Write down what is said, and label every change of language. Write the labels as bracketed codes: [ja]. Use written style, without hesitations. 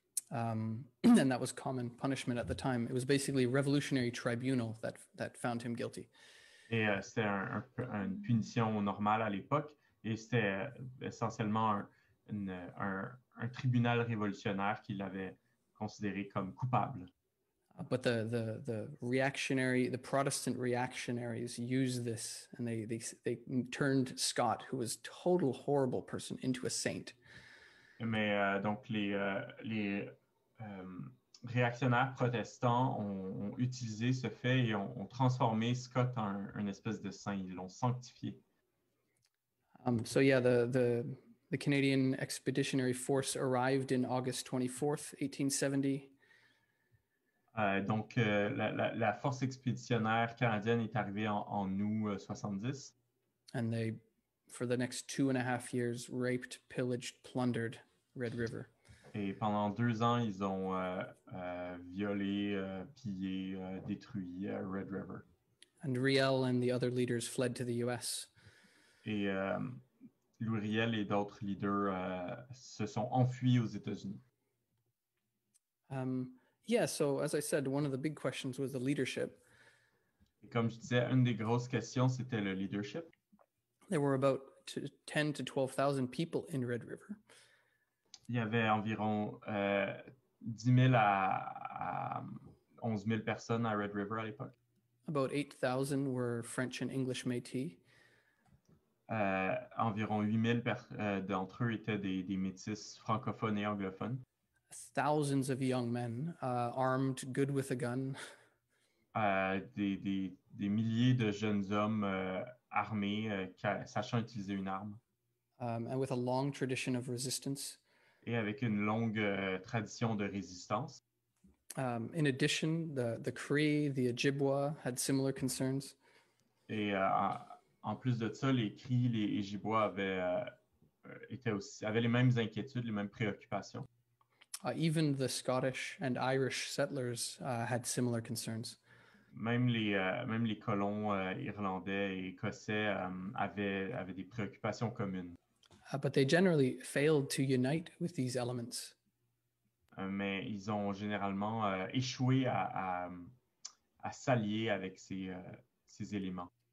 [en] And that was common punishment at the time. It was basically a revolutionary tribunal that found him guilty. [fr] Et c'était une punition normale à l'époque. Et c'était essentiellement un tribunal révolutionnaire qui l'avait considéré comme coupable. [en] But the reactionary, the Protestant reactionaries used this, and they turned Scott, who was total horrible person, into a saint. [fr] Mais donc les réactionnaires protestants ont utilisé ce fait et ont transformé Scott en une espèce de saint. Ils l'ont sanctifié. [en] The Canadian Expeditionary Force arrived in August 24th, 1870. [fr] Donc, la force expéditionnaire canadienne est arrivée en août 70. [en] And they, for the next 2.5 years, raped, pillaged, plundered Red River. [fr] Et pendant 2 ans, ils ont violé, pillé, détruit Red River. [en] And Riel and the other leaders fled to the US. [fr] Et Louis Riel et d'autres leaders se sont enfuis aux États-Unis. [en] Yeah, so as I said, one of the big questions was the leadership. [fr] Et comme je disais, une des grosses questions, c'était le leadership. [en] There were about 10 to 12,000 people in Red River. [fr] Il y avait environ 10,000 à 11,000 personnes à Red River à l'époque. [en] About 8,000 were French and English Métis. [fr] Environ 8,000 d'entre eux étaient des Métis francophones et anglophones. [en] Thousands of young men, armed, good with a gun. [fr] Des milliers de jeunes hommes armés, sachant utiliser une arme. [en] And with a long tradition of resistance. [fr] Et avec une longue tradition de résistance. [en] In addition, the Cree, the Ojibwa had similar concerns. [fr] Et en plus de ça, les Cree, les Ojibwa avaient les mêmes inquiétudes, les mêmes préoccupations. [en] Even the Scottish and Irish settlers had similar concerns. [fr] Même les colons irlandais et écossais avaient des préoccupations communes. [en] But they generally failed to unite with these elements. [fr] Mais ils ont généralement échoué à s'allier avec ces éléments.